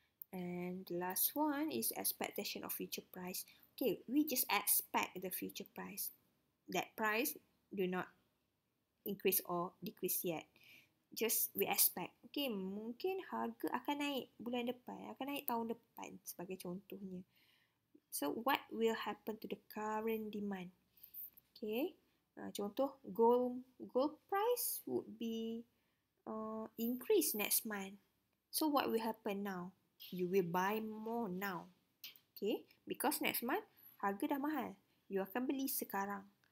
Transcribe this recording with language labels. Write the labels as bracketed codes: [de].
[en] And the last one is expectation of future price. Okay, we just expect the future price. That price do not increase or decrease yet. Just we expect. [ms] Okay, mungkin harga akan naik bulan depan, akan naik tahun depan sebagai contohnya. [en] So, what will happen to the current demand? Okay, contoh gold price would be increase next month. So, what will happen now? You will buy more now. [ms] Okay, [en] because next month [ms] harga dah mahal. You akan beli sekarang.